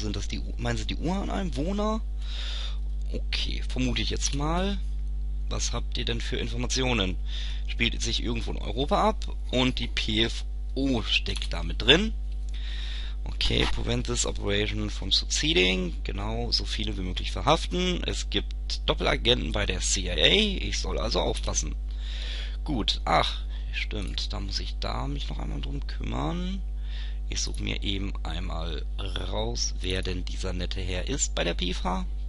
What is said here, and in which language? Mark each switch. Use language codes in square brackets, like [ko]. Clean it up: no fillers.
[de] Sind das die, meinen Sie die Ureinwohner? Okay, vermute ich jetzt mal. Was habt ihr denn für Informationen? Spielt sich irgendwo in Europa ab und die PFO steckt damit drin. [en] Okay, prevent this operation from succeeding. [de] Genau, so viele wie möglich verhaften. Es gibt Doppelagenten bei der CIA. Ich soll also aufpassen. Gut, ach, stimmt. Da muss ich da mich noch einmal drum kümmern. Ich suche mir eben einmal raus, wer denn dieser nette Herr ist bei der PFA.